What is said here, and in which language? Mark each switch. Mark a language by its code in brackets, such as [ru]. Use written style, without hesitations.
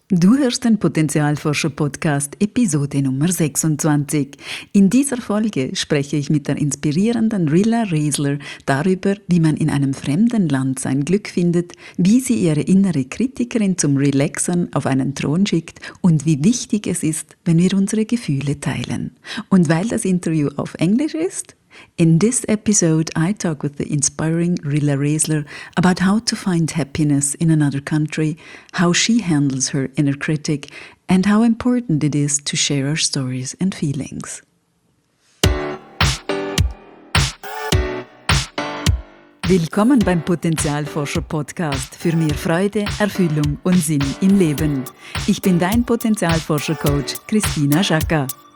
[de] Du hörst den Potenzialforscher-Podcast, Episode Nummer 26. In dieser Folge spreche ich mit der inspirierenden Rilla Riesler darüber, wie man in einem fremden Land sein Glück findet, wie sie ihre innere Kritikerin zum Relaxen auf einen Thron schickt und wie wichtig es ist, wenn wir unsere Gefühle teilen. Und weil das Interview auf Englisch ist, [en] in this episode I talk with the inspiring Rilla Riesler about how to find happiness in another country, how she handles her inner critic, and how important it is to share our stories and feelings. [de] Willkommen beim Potenzialforscher-Podcast für mehr Freude, Erfüllung und Sinn im Leben. Ich bin dein Potenzialforscher-Coach Christina Schacka.